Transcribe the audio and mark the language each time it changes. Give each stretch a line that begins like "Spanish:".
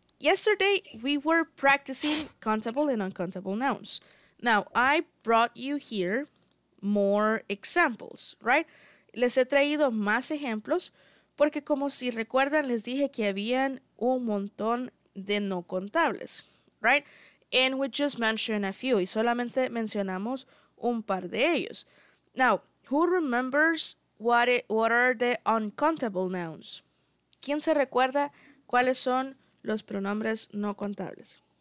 English: Yesterday we were practicing countable and uncountable nouns. Now I brought you here more examples, right?
Spanish: Les he traído más ejemplos porque, como si recuerdan, les dije que habían un montón de no contables, right?
English: And we just mentioned a few,
Spanish: y solamente mencionamos un par de ellos.
English: Now, who remembers what are the uncountable nouns?
Spanish: ¿Quién se recuerda cuáles son los pronombres no contables?